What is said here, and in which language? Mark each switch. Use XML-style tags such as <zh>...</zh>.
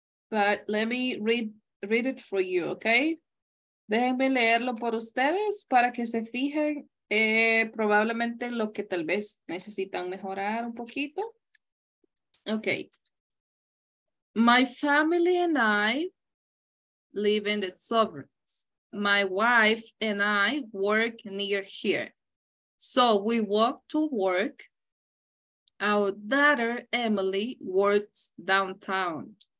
<en>But let me read it for you, okay?</en> <es>Déjenme leerlo por ustedes para que se fijen probablemente lo que tal vez necesitan mejorar un poquito.</es> <en>Okay, my family and I live in the suburbs. My wife and I work near here. So we walk to work. Our daughter, Emily, works downtown.</en>